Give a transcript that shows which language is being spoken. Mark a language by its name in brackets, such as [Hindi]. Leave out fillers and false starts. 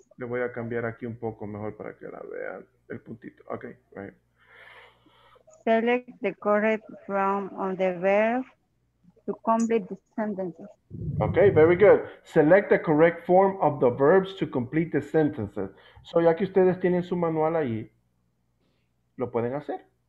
[Spanish] Le voy a cambiar aquí un poco mejor para que la vean el puntito. [English] Okay, right. Select the correct form of the verb to complete the sentences. Okay, very good. Select the correct form of the verbs to complete the sentences. [Spanish] So ya que ustedes tienen su manual ahí, lo pueden hacer.